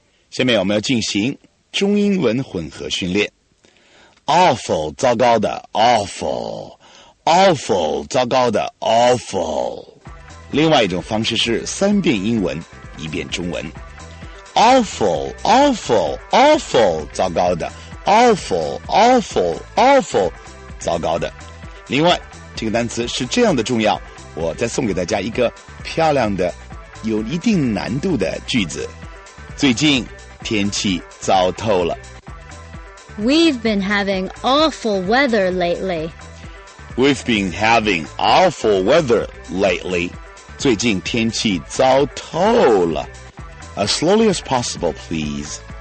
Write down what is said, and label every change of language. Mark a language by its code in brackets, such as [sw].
[zh] 下面我们要进行中英文混合训练。 [en] Awful, [zh] 糟糕的 [en] awful, awful, 糟糕的 awful. [zh] 另外一种方式是三遍英文，一遍中文。 [en] Awful, awful, awful, [zh] 糟糕的 [en] awful, awful, awful, 糟糕的。 [zh] 另外，这个单词是这样的重要。我再送给大家一个漂亮的有一定难度的句子最近天气糟透了 [en] We've been having awful weather lately We've been having awful weather lately [zh] 最近天气糟透了 [en] As slowly as possible please